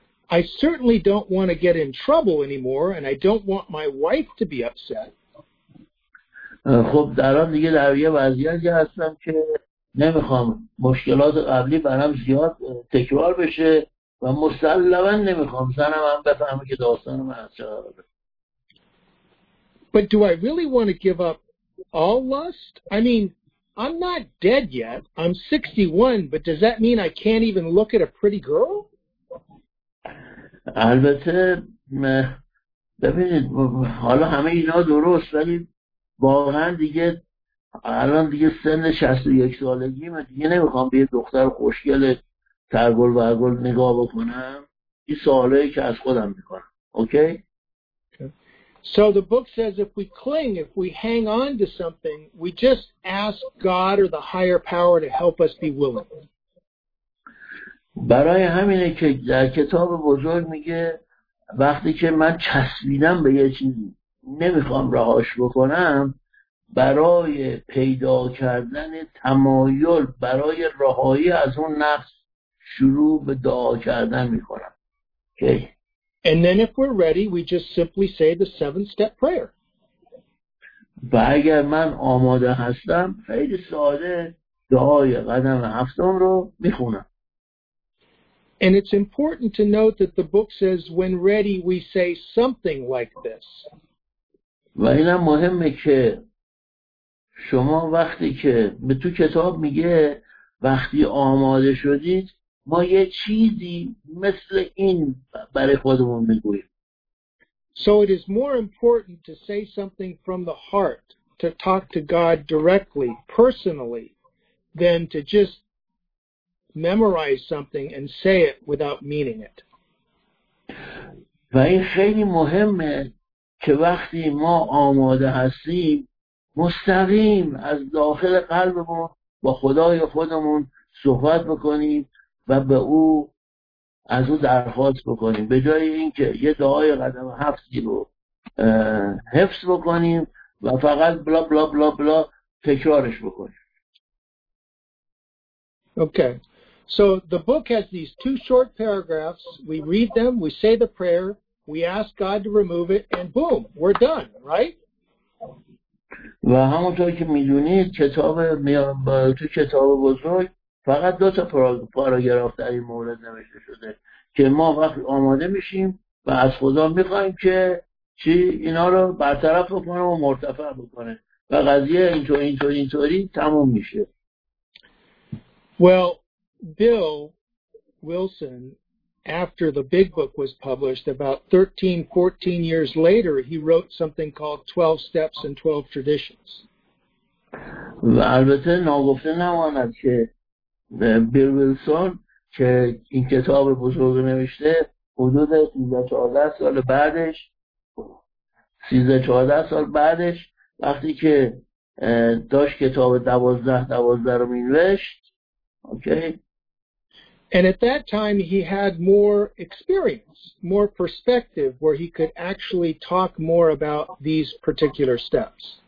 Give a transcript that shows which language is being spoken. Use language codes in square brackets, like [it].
[en] I certainly don't want to get in trouble anymore and I don't want my wife to be upset. [fa] خب در آن دیگه در یه وضعیتی هستم که نمیخوام مشکلات قبلی برام زیاد تکرار بشه و مسلماً نمیخوام زنم هم بفهمه که داستان من از چه قراره. [en] But do I really want to give up all lust? I mean, I'm not dead yet. I'm 61, but does that mean I can't even look at a pretty girl? [fa] البته ببینید حالا همه اینا درست ولی واقعاً دیگه الان دیگه سن 61 سالگیم دیگه نمیخوام به یه دختر خوشگل ترگل و عرگل نگاه بکنم. این سوالی که از خودم میکنم. [en] Okay? So the book says if we cling, if we hang on to something, we just ask God or the higher power to help us be willing. [fa] برای همینه که در کتاب بزرگ میگه وقتی که من چسبیدم به یه چیزی نمیخوام رهاش بکنم برای پیدا کردن تمایل برای رهایی از اون نفس شروع به دعا کردن میکنم. [en] Okay. And then if we're ready, we just simply say the 7-step prayer. [fa] و اگر من آماده هستم خیلی ساده دعای قدم هفتم رو میخونم. [en] And it's important to note that the book says when ready we say something like this. [fa] و اینم مهمه که شما وقتی که به تو کتاب میگه وقتی آماده شدید ما یه چیزی مثل این برای خودمون میگوییم. [en] So it is more important to say something from the heart, to talk to God directly, personally, than to just memorize something and say it without meaning it. [fa] و این خیلی مهمه که وقتی ما آماده هستیم مستقیم از داخل قلبمون با خدای خودمون صحبت بکنیم و به او از او درخواست بکنیم به جای اینکه یه دعای قدم هفتی رو حفظ بکنیم و فقط بلا بلا بلا بلا تکرارش بکنیم. [en] Okay. So the book has these two short paragraphs. We read them, we say the prayer, we ask God to remove it and boom, we're done, right? [fa] و همونطور که میدونید کتاب تو کتاب بزرگ فقط دو تا پاراگراف در این مورد نوشته شده که ما وقتی آماده میشیم و از خدا میخوایم که چی اینا رو برطرف بکنه و مرتفع بکنه و قضیه اینطور اینطور اینطوری تموم میشه. [en] Well, Bill Wilson after the big book was published, about 13, 14 years later, he wrote something called 12 Steps and 12 Traditions. [fa] و البته ناگفته نماند که به بیل ویلسون که این کتاب بزرگ نوشته حدود 13-14 سال بعدش 13-14 سال بعدش وقتی که داشت کتاب 12-12 رو می‌نوشت اوکی [en] And at that time he had more experience, more perspective where he could actually talk more about these particular steps.